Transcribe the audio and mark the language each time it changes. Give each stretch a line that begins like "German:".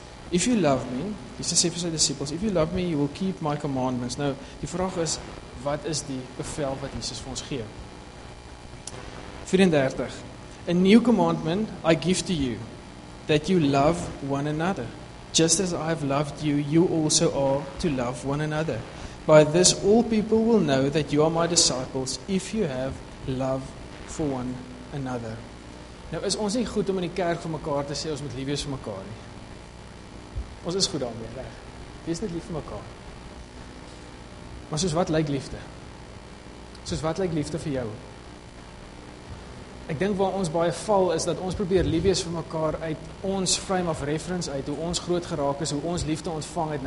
English: If you love me,
Afrikaans: Jesus sê vir sy
English: disciples, if you love me, you will keep my commandments.
Afrikaans: Nou, die vraag is, wat is die bevel wat Jesus vir ons gee? 34.
English: A new commandment I give to you, that you love one another. Just as I have loved you, you also are to love one another. By this all people will know that you are my disciples, if you have love for one another.
Afrikaans: Nou is ons nie goed om in die kerk vir mekaar te sê, ons moet lief wees vir mekaar nie. Ons is goed daarmee, reg. Wees net lief vir mekaar. Maar soos wat lyk liefde? Soos wat lyk liefde vir jou? Ek dink waar ons baie val is dat ons probeer lief wees vir mekaar uit ons
English: frame of reference,
Afrikaans: uit hoe ons groot geraak is, hoe ons liefde ontvang het.